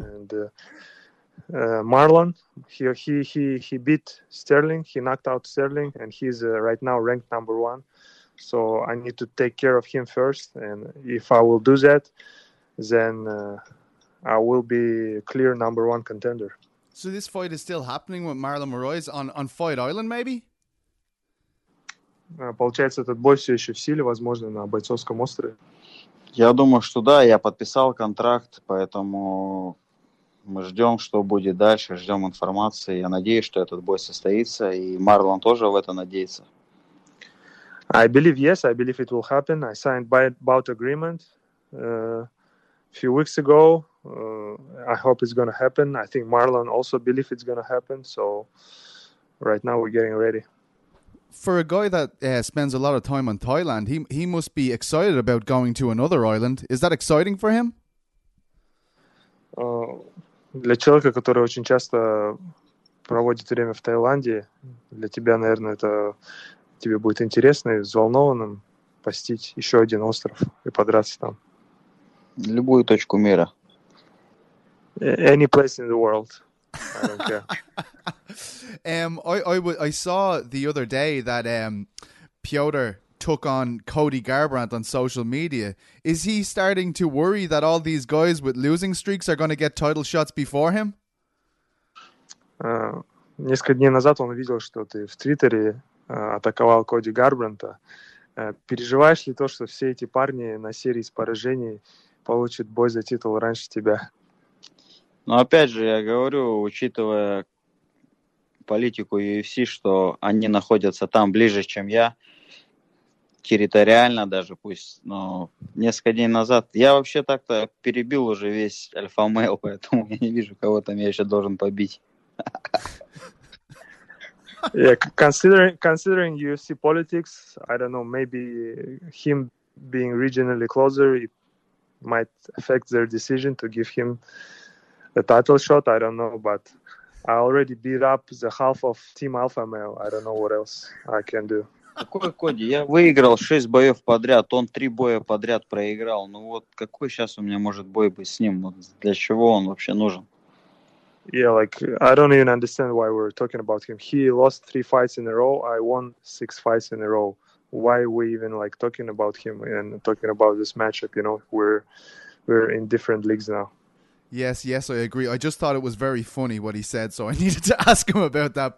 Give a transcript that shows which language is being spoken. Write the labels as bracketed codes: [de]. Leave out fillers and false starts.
[en] And Marlon, he beat Sterling, he knocked out Sterling, and he's right now ranked number one. So I need to take care of him first, and if I will do that, then I will be clear number one contender. So this fight is still happening with Marlon Moraes on Fight Island, maybe? [ru] Получается, этот бой все еще в силе, возможно, на бойцовском острове. Я думаю, что да, я подписал контракт, поэтому мы ждем, что будет дальше, ждем информации. Я надеюсь, что этот бой состоится, и Марлон тоже в это надеется. [en] I believe, yes, I believe it will happen. I signed bout agreement a few weeks ago. I hope it's going to happen. I think Marlon also believes it's going to happen. So right now we're getting ready. For a guy that spends a lot of time on Thailand, he must be excited about going to another island. Is that exciting for him? [ru] Для человека, который очень часто проводит время в Таиланде, для тебя, наверное, это тебе будет интересно и взволнованным посетить еще один остров и подраться там. Любую точку мира. [en] Any place in the world. I don't care. I saw the other day that Piotr took on Cody Garbrandt on social media. Is he starting to worry that all these guys with losing streaks are going to get title shots before him? [ru] Несколько дней назад он увидел, что ты в Твиттере атаковал Коди Гарбранта. Переживаешь ли то, что все эти парни на серии с поражений получат бой за титул раньше тебя? Но опять же, я говорю, учитывая политику UFC, что они находятся там ближе, чем я, территориально даже пусть, но несколько дней назад. Я вообще так-то перебил уже весь альфа-мейл, поэтому я не вижу, кого там я еще должен побить. [en] Yeah, considering UFC politics, I don't know, maybe him being regionally closer it might affect their decision to give him the title shot, I don't know, but I already beat up the half of Team Alpha Male. I don't know what else I can do. [ru] Какой Коди? Я выиграл 6 боев подряд, он 3 боя подряд проиграл. Ну вот какой сейчас у меня может бой быть с ним? Для чего он вообще нужен? [en] Yeah, like, I don't even understand why we're talking about him. He lost 3 fights in a row, I won 6 fights in a row. Why are we even, like, talking about him and talking about this matchup, you know? We're in different leagues now. Yes, yes, I agree. I just thought it was very funny what he said, so I needed to ask him about that.